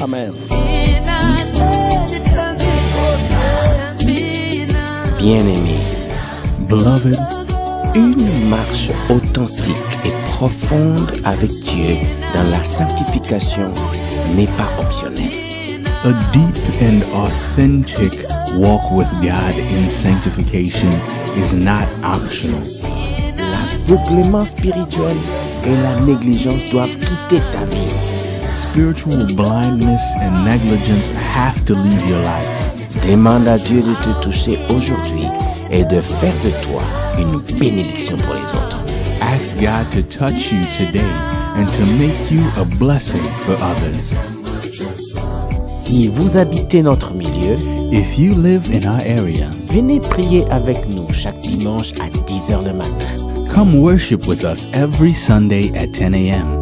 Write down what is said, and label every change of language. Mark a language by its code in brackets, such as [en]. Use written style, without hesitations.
[en] Amen. [fr] Bien-aimé, beloved, une marche authentique et profonde avec Dieu dans la sanctification n'est pas optionnelle. [en] A deep and authentic walk with God in sanctification is not optional. [fr] L'aveuglement spirituel et la négligence doivent quitter ta vie. [en] Spiritual blindness and negligence have to leave your life. [fr] Demande à Dieu de te toucher aujourd'hui et de faire de toi une bénédiction pour les autres. [en] Ask God to touch you today and to make you a blessing for others. [fr] Si vous habitez notre milieu, [en] if you live in our area, [fr] venez prier avec nous chaque dimanche à 10h le matin. [en] Come worship with us every Sunday at 10 a.m.